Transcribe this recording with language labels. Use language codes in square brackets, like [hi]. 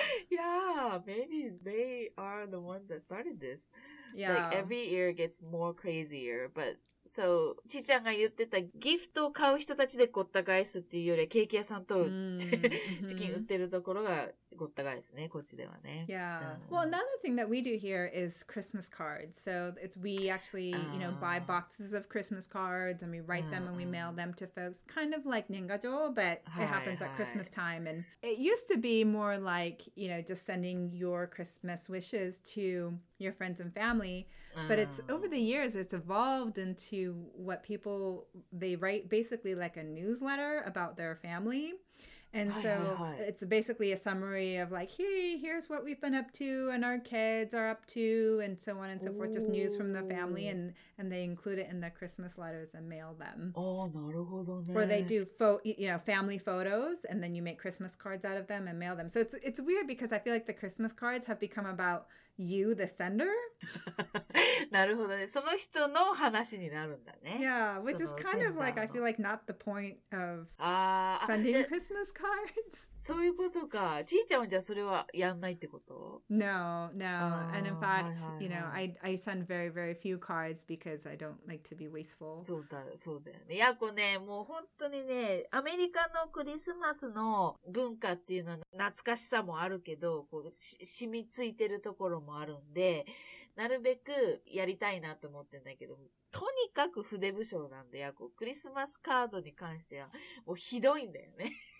[en] Yeah, maybe they are the ones that started this. Yeah. Like every year gets more crazier. [ja] But so, ちーちゃんが言ってたギフトを買う人たちでごった返すっていうよりケーキ屋さんとチキン売ってるところがごった返すね、こっちではね。 [en] Yeah. Well, another thing that we do here is Christmas cards. So it's we actually, you know, buy boxes of Christmas cards and we write them and we mail them to folks. Kind of like 年賀状, but it happens at Christmas time. And it used to be more like, you know, just sending your Christmas wishes to your friends and family. But it's over the years, it's evolved into what people, they write basically like a newsletter about their family. And so it's basically a summary of like, hey, here's what we've been up to and our kids are up to and so on and so forth. Just news from the family and they include it in the Christmas letters and mail them. [ja] Oh, なるほどね。 [en] Or they do you know, family photos and then you make Christmas cards out of them and mail them. So it's weird because I feel like the Christmas cards have become about you, the sender. [ja] なるほどね。その人の話になるんだね。 [en] Yeah, which is kind of like, I feel like not the point of sending Christmas cards. [ja] そういうことか。ちーちゃんはじゃあそれはやんないってこと? [en] No, no. And in fact, you know, I send very, very few cards because I don't like to be wasteful. [ja] そうだよね。いや、こうね、もう本当にね、アメリカのクリスマスの文化っていうのは懐かしさもあるけど、こう染みついてるところもあるんで、なるべくやりたいなと思ってんだけど、とにかく筆不精なんで、クリスマスカードに関してはもうひどいんだよね。